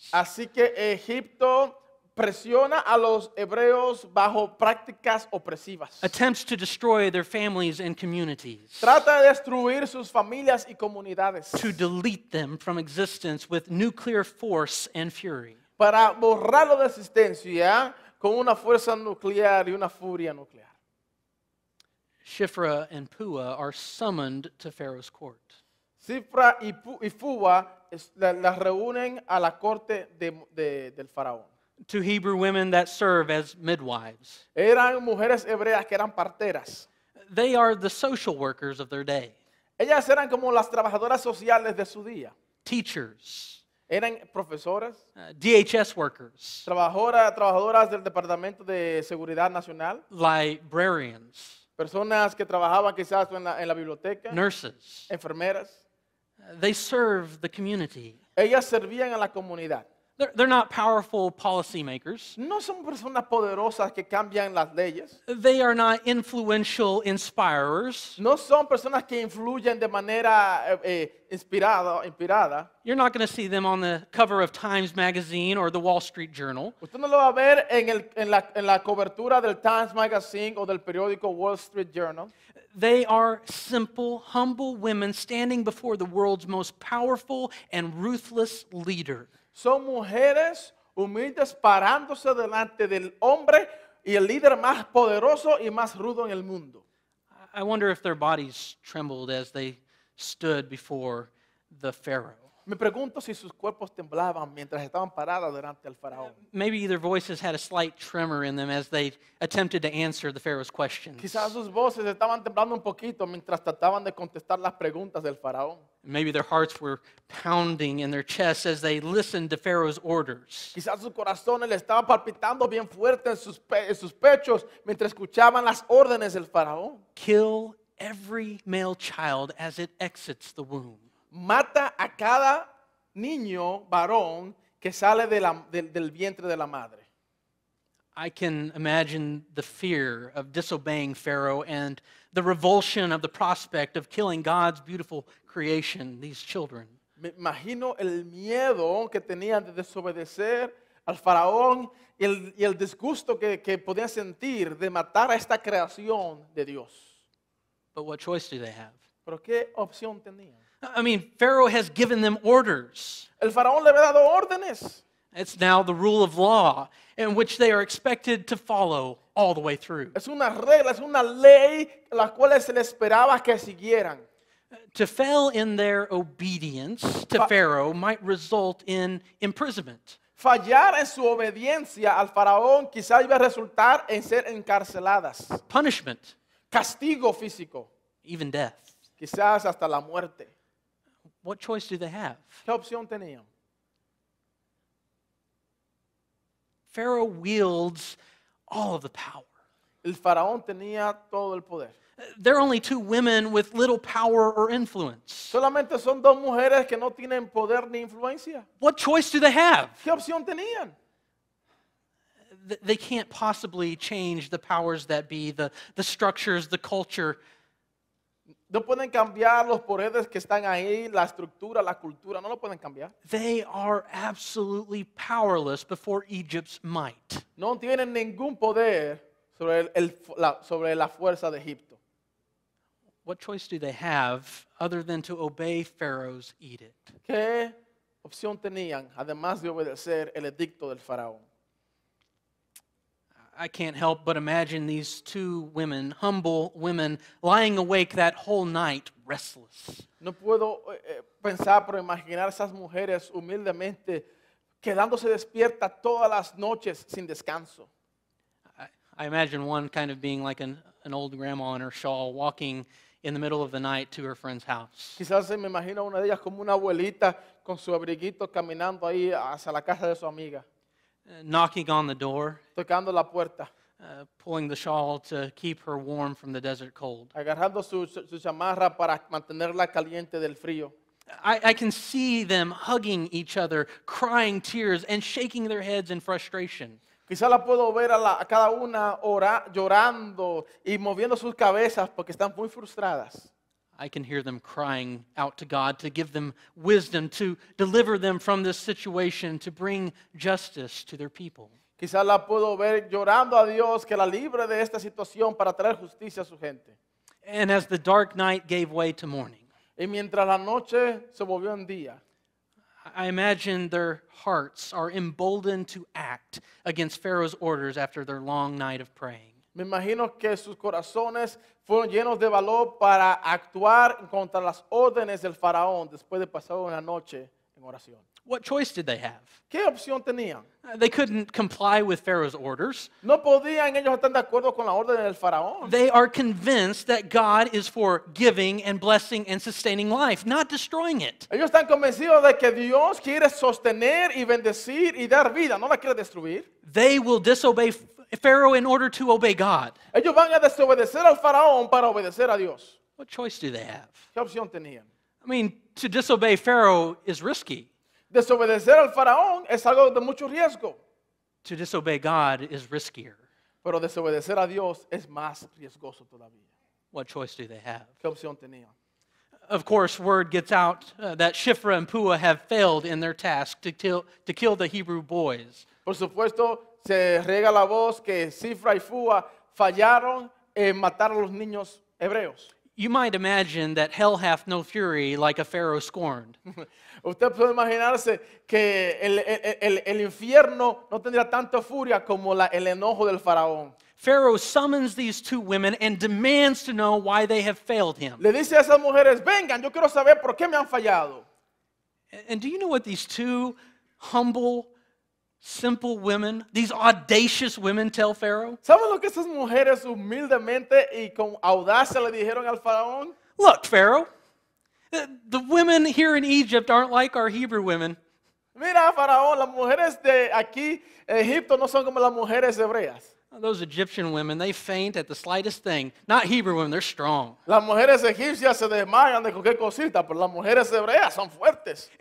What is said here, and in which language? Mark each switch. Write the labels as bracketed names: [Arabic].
[Spanish] Así que Egipto presiona a los hebreos bajo prácticas opresivas. [English] Attempts to destroy their families and communities. [Spanish] Trata de destruir sus familias y comunidades. [English] To delete them from existence with nuclear force and fury. [Spanish] Para borrarlo de existencia con una fuerza nuclear y una furia nuclear. [English] Shifra and Pua are summoned to Pharaoh's court. [Spanish] Shifra y Pua las reúnen a la corte del faraón. [English] Two Hebrew women that serve as midwives. [Spanish] Eran mujeres hebreas que eran parteras. [English] They are the social workers of their day. [Spanish] Ellas eran como las trabajadoras sociales de su día. [English] Teachers. [Spanish] Eran profesoras, [English] DHS workers, [Spanish] trabajadoras del Departamento de Seguridad Nacional, [English] librarians, [Spanish] personas que trabajaban quizás en la biblioteca, [English] nurses, [Spanish] enfermeras. [English] They serve the community. [Spanish] Ellas servían a la comunidad. [English] They're not powerful policy makers. [Spanish] No son personas poderosas que cambian las leyes. [English] They are not influential inspirers. [Spanish] No son personas que influyen de manera inspirada. [English] You're not going to see them on the cover of Times Magazine or the Wall Street Journal. [Spanish] Usted no lo va a ver en la cobertura del Times Magazine o del periódico Wall Street Journal. [English] They are simple, humble women standing before the world's most powerful and ruthless leader. [Spanish] Son mujeres humildes parándose delante del hombre y el líder más poderoso y más rudo en el mundo. [English] I wonder if their bodies trembled as they stood before the Pharaoh. [Spanish] Me pregunto si sus cuerpos temblaban mientras estaban paradas delante del faraón. [English] Maybe their voices had a slight tremor in them as they attempted to answer the Pharaoh's questions. [Spanish] Quizás sus voces estaban temblando un poquito mientras trataban de contestar las preguntas del faraón. [English] Maybe their hearts were pounding in their chests as they listened to Pharaoh's orders. [Spanish] Quizás sus corazones le estaban palpitando bien fuerte en sus pechos mientras escuchaban las órdenes del faraón. [English] Kill every male child as it exits the womb. [Spanish] Mata a cada niño varón que sale de del vientre de la madre. [English] I can imagine the fear of disobeying Pharaoh and the revulsion of the prospect of killing God's beautiful creation, these children. [Spanish] Me imagino el miedo que tenían de desobedecer al faraón y el disgusto que podían sentir de matar a esta creación de Dios. [English] But what choice do they have? [Spanish] ¿Pero qué opción tenían? [English] I mean, Pharaoh has given them orders. [Spanish] El faraón le había dado órdenes. [English] It's now the rule of law in which they are expected to follow all the way through. [Spanish] Es una regla, es una ley la cual se le esperaba que siguieran. [English] To fail in their obedience to Pharaoh might result in imprisonment. [Spanish] Fallar en su obediencia al faraón quizá iba a resultar en ser encarceladas. [English] Punishment. [Spanish] Castigo físico. [English] Even death. [Spanish] Quizás hasta la muerte. [English] What choice do they have? [Spanish] ¿Qué opción tenían? [English] Pharaoh wields all of the power. [Spanish] El faraón tenía todo el poder. [English] There are only two women with little power or influence. [Spanish] Solamente son dos mujeres que no tienen poder ni influencia. [English] What choice do they have? [Spanish] ¿Qué opción tenían? [English] They can't possibly change the powers that be, the structures, the culture. [Spanish] No pueden cambiar los poderes que están ahí, la estructura, la cultura, no lo pueden cambiar. [English] They are absolutely powerless before Egypt's might. [Spanish] No tienen ningún poder sobre la fuerza de Egipto. [English] What choice do they have other than to obey Pharaoh's edict? [Spanish] ¿Qué opción tenían además de obedecer el edicto del faraón? [English] I can't help but imagine these two women, humble women, lying awake that whole night, restless. [Spanish] No puedo pensar por imaginar esas mujeres humildemente quedándose despierta todas las noches sin descanso. [English] I imagine one kind of being like an old grandma in her shawl walking in the middle of the night to her friend's house. [Spanish] Quizás me imagino una de ellas como una abuelita con su abriguito caminando ahí hacia la casa de su amiga. [English] Knocking on the door, [Spanish] tocando la puerta, [English] pulling the shawl to keep her warm from the desert cold, [Spanish] agarrando su chamarra para mantenerla caliente del frío. [English] I can see them hugging each other, crying tears and shaking their heads in frustration. [Spanish] Quizá la puedo ver a cada una llorando y moviendo sus cabezas porque están muy frustradas. [English] I can hear them crying out to God to give them wisdom, to deliver them from this situation, to bring justice to their people. [Spanish] Quizá la puedo ver llorando a Dios que la libre de esta situación para traer justicia a su gente. [English] And as the dark night gave way to morning, [Spanish] y mientras la noche se volvió en día, [English] I imagine their hearts are emboldened to act against Pharaoh's orders after their long night of praying. [Spanish] Me imagino que sus corazones fueron llenos de valor para actuar contra las órdenes del faraón después de pasar una noche en oración. [English] What choice did they have? [Spanish] ¿Qué opción tenían? [English] They couldn't comply with Pharaoh's orders. [Spanish] No podían ellos estar de acuerdo con la orden del faraón. [English] They are convinced that God is for giving and blessing and sustaining life, not destroying it. [Spanish] Ellos están convencidos de que Dios quiere sostener y bendecir y dar vida, no la quiere destruir. [English] They will disobey Pharaoh in order to obey God. [Spanish] Ellos van a desobedecer al faraón para obedecer a Dios. [English] What choice do they have? [Spanish] ¿Qué opción tenían? [English] I mean, to disobey Pharaoh is risky. [Spanish] Desobedecer al faraón es algo de mucho riesgo. [English] To disobey God is riskier. [Spanish] Pero desobedecer a Dios es más riesgoso todavía. [English] What choice do they have? [Spanish] ¿Qué opción tenían? [English] Of course, word gets out that Shifra and Puah have failed in their task to kill the Hebrew boys. [Spanish] Por supuesto, se riega la voz que Shifra y Puah fallaron en matar a los niños hebreos. [English] You might imagine that hell hath no fury like a Pharaoh scorned. [Spanish] Usted puede imaginarse que el infierno no tendría tanta furia como el enojo del faraón. [English] Pharaoh summons these two women and demands to know why they have failed him. [Spanish] Le dice a esas mujeres, vengan, yo quiero saber por qué me han fallado. [English] And do you know what these two humble, simple women, these audacious women tell Pharaoh? [Spanish] ¿Sabes lo que esas mujeres humildemente y con audacia le dijeron al faraón? [English] Look, Pharaoh, the women here in Egypt aren't like our Hebrew women. [Spanish] Mira, faraón, las mujeres de aquí, Egipto, no son como las mujeres hebreas. [English] Those Egyptian women, they faint at the slightest thing. Not Hebrew women, they're strong. [Spanish] Las mujeres egipcias se desmayan de cualquier cosita, pero las mujeres hebreas son fuertes.